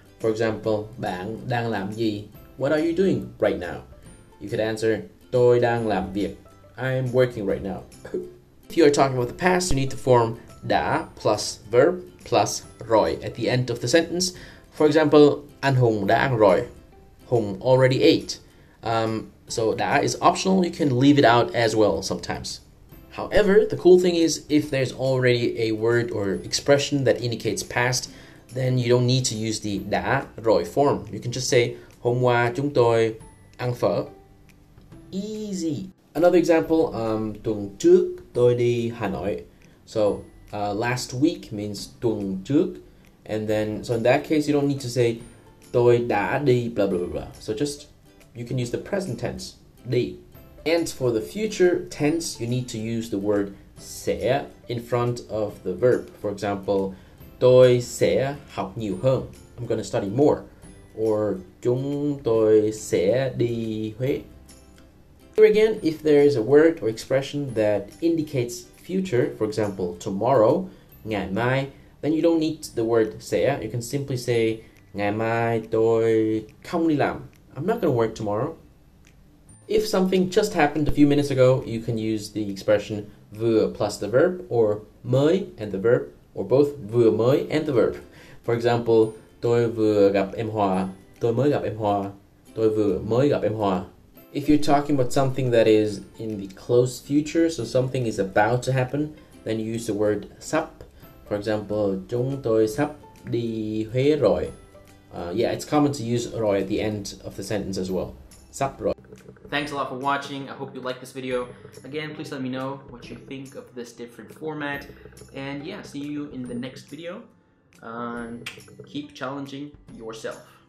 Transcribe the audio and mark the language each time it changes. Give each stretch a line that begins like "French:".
English: For example,
Vietnamese: bạn đang làm gì?
English: What are you doing right now? You could answer,
Vietnamese: tôi đang làm việc.
English: I'm working right now. If you are talking about the past, you need the form đã plus verb plus rồi at the end of the sentence. For example,
Vietnamese: anh Hùng đã ăn rồi.
English: Hùng already ate. So đã is optional, you can leave it out as well sometimes. However, the cool thing is if there's already a word or expression that indicates past, then you don't need to use the đã rồi form. You can just say,
Vietnamese: hôm qua chúng tôi ăn phở.
English: Easy. Another example,
Vietnamese: tuần trước tôi đi Hà Nội.
English: So last week means
Vietnamese: tuần trước.
English: And then, so in that case, you don't need to say
Vietnamese: tôi đã đi
English: blah blah blah blah. So just, you can use the present tense, đi. And for the future tense, you need to use the word sẽ in front of the verb. For example,
Vietnamese: tôi sẽ học nhiều hơn.
English: I'm going to study more. Or
Vietnamese: chúng tôi sẽ đi Huế.
English: Here again, if there is a word or expression that indicates future, for example, tomorrow,
Vietnamese: ngày mai,
English: then you don't need the word sẽ. You can simply say
Vietnamese: ngày mai tôi không đi làm.
English: I'm not going to work tomorrow. If something just happened a few minutes ago, you can use the expression vừa plus the verb, or mới and the verb, or both vừa mới and the verb. For example,
Vietnamese: tôi vừa gặp em Hòa, tôi mới gặp em Hòa, tôi vừa mới gặp em Hòa.
English: If you're talking about something that is in the close future, so something is about to happen, then you use the word sắp. For example,
Vietnamese: chúng tôi sắp đi Huế rồi.
English: Yeah, it's common to use rồi at the end of the sentence as well.
Vietnamese: Sắp rồi.
English: Thanks a lot for watching. I hope you liked this video. Again, please let me know what you think of this different format. And yeah, see you in the next video. Keep challenging yourself.